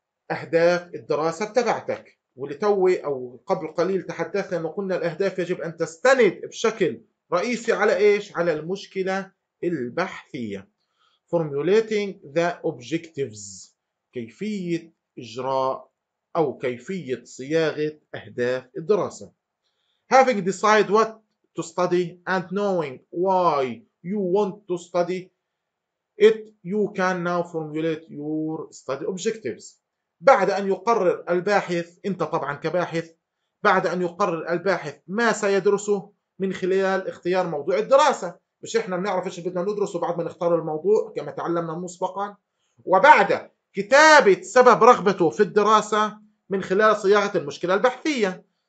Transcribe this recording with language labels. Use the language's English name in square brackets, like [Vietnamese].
[Arabic] أهداف الدراسة تبعتك، ولتوي أو قبل قليل تحدثنا أنه قلنا الأهداف يجب أن تستند بشكل رئيسي على إيش؟ على المشكلة البحثية. [English] Formulating the objectives، [Arabic] كيفية إجراء أو كيفية صياغة أهداف الدراسة. [English] Having decided what to study and knowing why you want to study it, you can now formulate your study objectives. [Arabic] بعد أن يقرر الباحث، أنت طبعا كباحث، بعد أن يقرر الباحث ما سيدرسه من خلال اختيار موضوع الدراسة، مش إحنا بنعرف إيش بدنا ندرسه بعد ما نختار الموضوع كما تعلمنا مسبقا، وبعد كتابة سبب رغبته في الدراسة من خلال صياغة المشكلة البحثية.